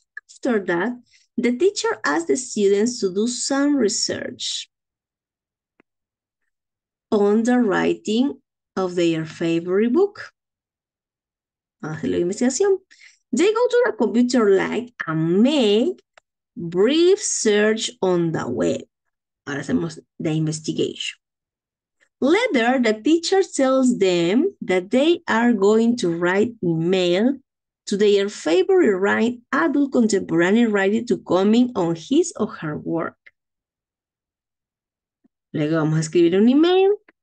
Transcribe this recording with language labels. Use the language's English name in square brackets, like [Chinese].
[English] After that, the teacher asks the students to do some research. on the writing of their favorite book. [Spanish] Hace la investigación. [English] They go to the computer lab and make brief search on the web. [Spanish] Ahora hacemos [English] the investigation. Later, the teacher tells them that they are going to write email to their favorite writer, adult contemporary writer, to comment on his or her work. [Spanish] Luego vamos a escribir un email.